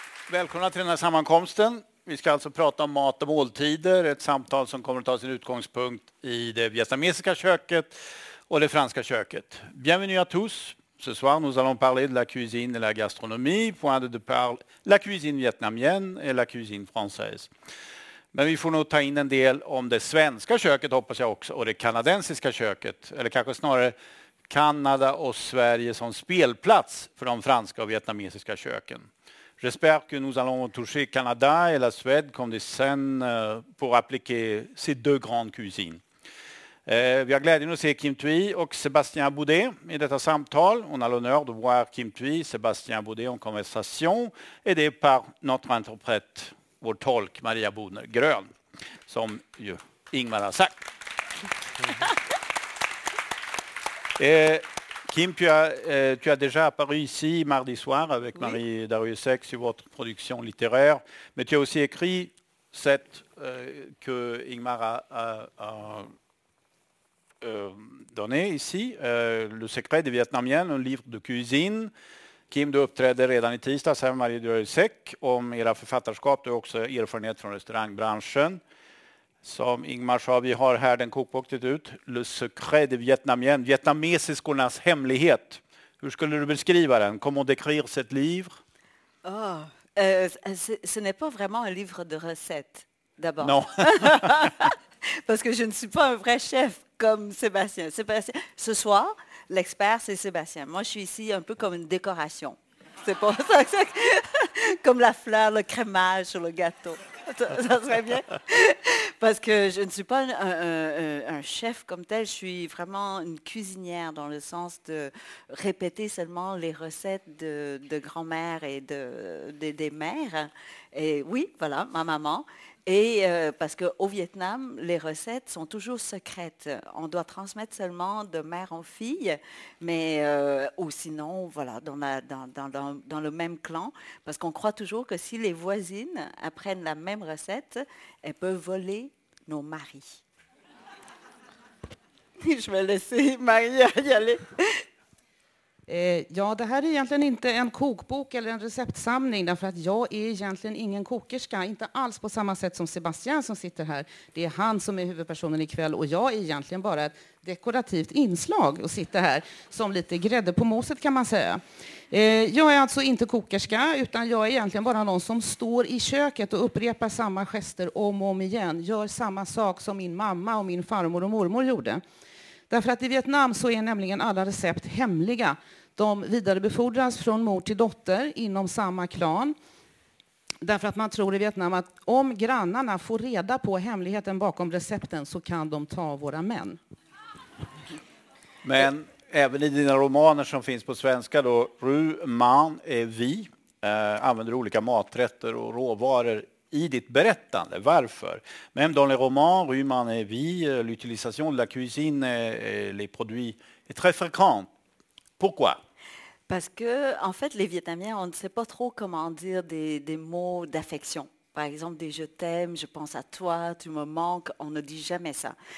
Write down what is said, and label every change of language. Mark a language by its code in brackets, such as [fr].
[sv] Välkomna till den här sammankomsten. Vi ska alltså prata om mat och måltider, ett samtal som kommer att ta sin utgångspunkt i det vietnamesiska köket och det franska köket. [fr] Bienvenue à tous. Ce soir, nous allons parler de la cuisine et la gastronomie. Point de départ, la cuisine vietnamienne et la cuisine française. [sv] Men vi får nog ta in en del om det svenska köket, hoppas jag också, och det kanadensiska köket. Eller kanske snarare Kanada och Sverige som spelplats för de franska och vietnamesiska köken. [fr] J'espère que nous allons toucher Canada et la Suède comme des scènes pour appliquer ces deux grandes cuisines. [sv] Vi har glädjen att se Kim Thuy och Sébastien Baudet i detta samtal. [fr] On a l'honneur de voir Kim Thuy, Sébastien Baudet en conversation, aidé par notre interprète, [sv] vår tolk Maria Bodner Grön, som ju Ingmar har sagt. [fr] Kim, tu as déjà apparu ici mardi soir avec Marie Darrieussecq sur votre production littéraire, mais tu as aussi écrit cette que Ingmar a donné ici, Le secret des Vietnamiennes, un livre de cuisine. [sv] Kim, du uppträdde redan i tisdags här med Marie Darrieussecq om era författarskap och också erfarenhet från restaurangbranschen. Som Ingmar sa, vi har här den kokboken ut, Le secret des Vietnamiennes, vietnamesiskornas hemlighet. Hur skulle du beskriva den? [fr] Comment décrire cet livre? Ce n'est pas vraiment un livre de recettes, d'abord. Non. Parce que je ne suis pas un vrai chef comme Sébastien. Sébastien, ce soir, l'expert, c'est Sébastien. Moi, je suis ici un peu comme une décoration. C'est pour ça que c'est comme la fleur, le crémage sur le gâteau. Ça serait bien. Parce que je ne suis pas un chef comme tel. Je suis vraiment une cuisinière dans le sens de répéter seulement les recettes de grand-mère et des mères. Et oui, voilà, ma maman. Et parce qu'au Vietnam, les recettes sont toujours secrètes. On doit transmettre seulement de mère en fille, mais ou sinon, voilà, dans le même clan, parce qu'on croit toujours que si les voisines apprennent la même recette, elles peuvent voler nos maris. Je vais laisser Maria y aller. [sv] Ja, det här är egentligen inte en kokbok eller en receptsamling, därför att jag är egentligen ingen kokerska, inte alls på samma sätt som Sébastien som sitter här. Det är han som är huvudpersonen ikväll, och jag är egentligen bara ett dekorativt inslag och sitter här som lite grädde på moset, kan man säga. Jag är alltså inte kokerska, utan jag är egentligen bara någon som står i köket och upprepar samma gester om och om igen, gör samma sak som min mamma och min farmor och mormor gjorde. Därför att i Vietnam så är nämligen alla recept hemliga. De vidarebefordras från mor till dotter inom samma klan. Därför att man tror i Vietnam att om grannarna får reda på hemligheten bakom recepten, så kan de ta våra män. Men även i dina romaner som finns på svenska då, Ru, Man, Vi, använder olika maträtter och råvaror i ditt berättande. Varför? [fr] Même dans les romans, Rue Man et Vie, l'utilisation de la cuisine et les produits est très fréquente. Pourquoi? Parce que, en fait, les Vietnamiens, on ne sait pas trop comment dire des mots d'affection. par exemple des je t'aime, je pense à toi, tu me manques, on ne dit jamais ça.